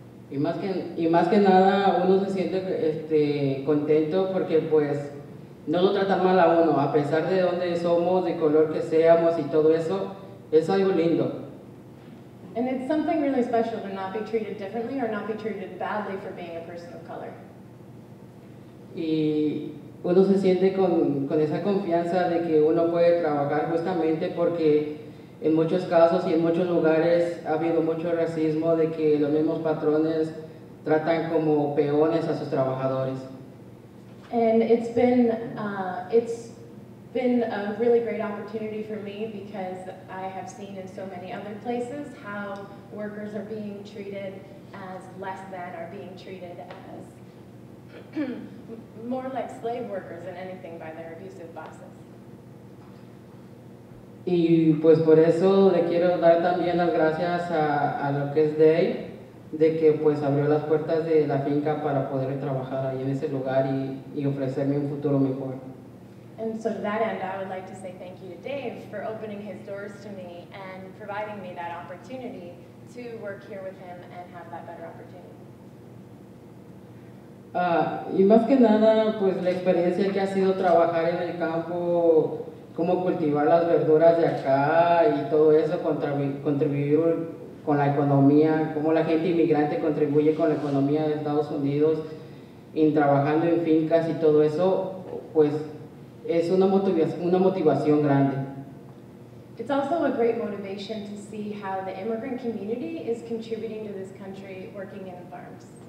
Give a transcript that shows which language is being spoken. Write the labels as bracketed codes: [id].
[es] Y más que nada, uno se siente contento porque, pues, no lo tratan mal a uno, a pesar de donde somos, de color que seamos y todo eso, es algo lindo. [en] And it's something really special to not be treated differently or not be treated badly for being a person of color. [es] Y uno se siente con esa confianza de que uno puede trabajar justamente porque en muchos casos y en muchos lugares ha habido mucho racismo de que los mismos patrones tratan como peones a sus trabajadores. [en] And it's been a really great opportunity for me because I have seen in so many other places how workers are being treated as less than, are being treated as more like slave workers than anything by their abusive bosses. [es] Y pues por eso le quiero dar también las gracias a lo que es Dave, de que pues abrió las puertas de la finca para poder trabajar ahí en ese lugar y ofrecerme un futuro mejor. [en] And so to that end, I would like to say thank you to Dave for opening his doors to me and providing me that opportunity to work here with him and have that better opportunity. [es] Y más que nada, pues la experiencia que ha sido trabajar en el campo, cómo cultivar las verduras de acá y todo eso, contribuir con la economía, cómo la gente inmigrante contribuye con la economía de Estados Unidos, en trabajando en fincas y todo eso, pues es una motivación grande. [en] It's also a great motivation to see how the immigrant community is contributing to this country working in farms.